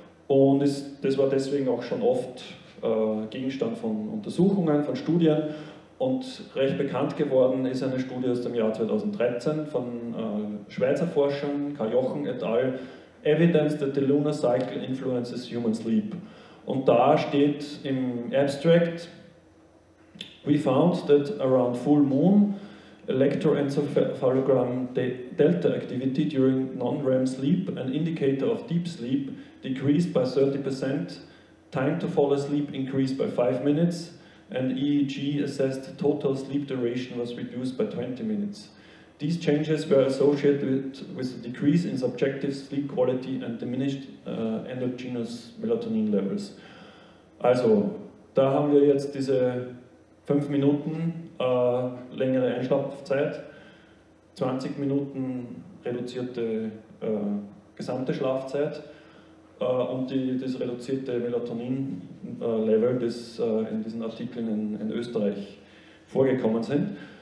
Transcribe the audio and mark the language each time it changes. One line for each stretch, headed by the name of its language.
German: Und das war deswegen auch schon oft Gegenstand von Untersuchungen, von Studien. Und recht bekannt geworden ist eine Studie aus dem Jahr 2013 von Schweizer Forschern, Karl Jochen et al.,
English: Evidence that the Lunar Cycle Influences Human Sleep.
German: Und da steht im Abstract,
English: we found that around full moon, electroencephalogram delta activity during non-REM sleep, an indicator of deep sleep, decreased by 30%, time to fall asleep increased by 5 minutes, and EEG assessed total sleep duration was reduced by 20 minutes. These changes were associated with a decrease in subjective sleep quality and diminished endogenous melatonin levels.
German: Also, da haben wir jetzt diese 5 Minuten längere Einschlafzeit, 20 Minuten reduzierte gesamte Schlafzeit und das reduzierte Melatonin-Level, das in diesen Artikeln in Österreich vorgekommen sind.